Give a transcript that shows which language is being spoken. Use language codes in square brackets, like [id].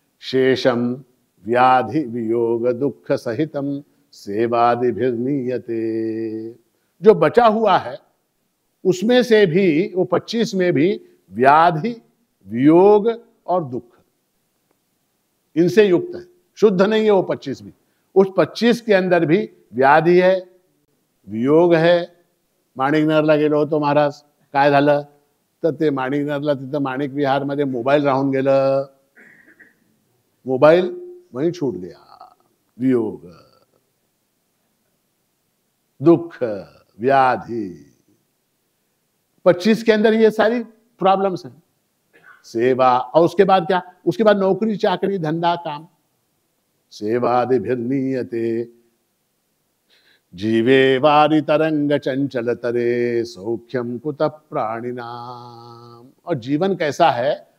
[sa] शेषम व्याधि वियोग दुख सहितम सेवादि भिर्नियते, [hi] जो बचा हुआ है उसमें से भी, वो 25 में भी व्याधि वियोग और दुख इनसे युक्त है, शुद्ध नहीं है वो 25 भी। उस 25 के अंदर भी व्याधि है, वियोग है। [mr] माणिक नगरला गेलो तो महाराज काय झालं, तर ते माणिक नगरला तिथं माणिक विहार मध्ये मोबाईल राहून गेलं, मोबाईल म्हणजे [hi] छूट गया, [mr] वियोग दुख व्याधी। [hi] 25 के अंदर ये सारी प्रॉब्लम्स हैं, सेवा, और उसके बाद क्या? उसके बाद नौकरी चाकरी धंधा काम, [sa] सेवा दिभिर्नियते। जीवे वारी तरंग चंचल तरे सौख्यम कुत प्राणिनाम, [hi] और जीवन कैसा है?